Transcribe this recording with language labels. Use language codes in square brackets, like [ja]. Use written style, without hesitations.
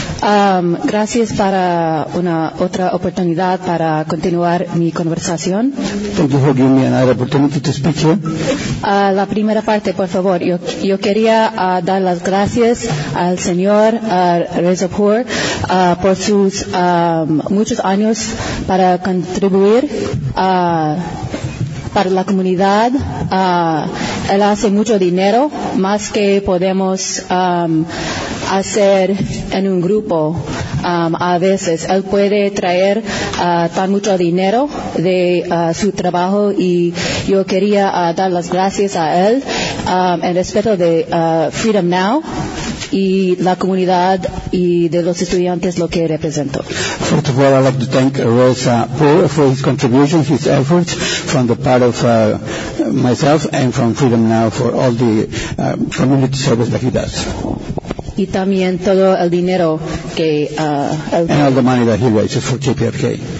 [es] Gracias para una otra oportunidad para continuar mi conversación. [en] Thank you for giving me another opportunity to speak here. [es] La primera parte, por favor. Yo quería dar las gracias al señor Rezapur por sus muchos años para contribuir para la comunidad. Él hace mucho dinero, más que podemos hacer en un grupo. A veces él puede traer tan mucho dinero de su trabajo, y yo quería dar las gracias a él en respeto de Freedom Now y la comunidad y de los estudiantes lo que represento. [en] First of all, I'd like to thank Rosa Poor for his contribution, his efforts from the part of myself and from Freedom Now for all the community service that he does. [es] Y también todo el dinero que [en] and all the money that he raises for JPFK.